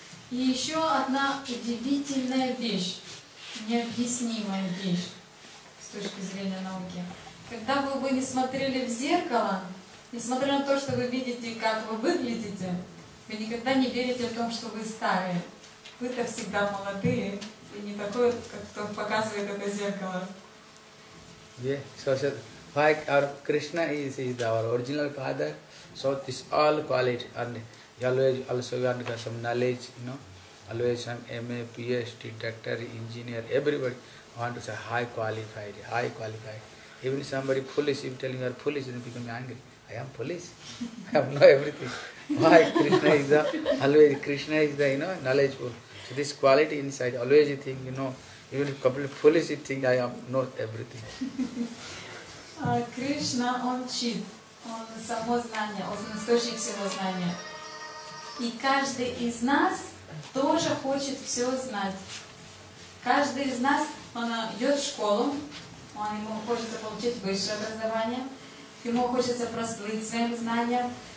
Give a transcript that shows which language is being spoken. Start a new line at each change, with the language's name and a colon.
Russian: И еще одна удивительная вещь, необъяснимая вещь с точки зрения науки. Когда вы бы не смотрели в зеркало, несмотря на то, что вы видите, как вы выглядите, вы никогда не верите в том, что вы старые. Вы-то всегда молодые и не такой, как кто показывает это зеркало.
English: Yeah, like our Krishna is our original father, so this all quality and always also we have some knowledge, you know, always some MA, PhD, doctor, engineer, everybody want to say high qualified. Even somebody foolish, if telling her foolish, then become angry. I am foolish. I have know everything. Why Krishna is the always Krishna is the, you know, knowledgeful. So this quality inside, always you think, you know, even completely foolish you think I am know everything.
Russian: Кришна, он чит, он само знание, он источник всего знания. И каждый из нас тоже хочет все знать. Каждый из нас, он идет в школу, он ему хочется получить высшее образование, ему хочется прослыть своим знанием.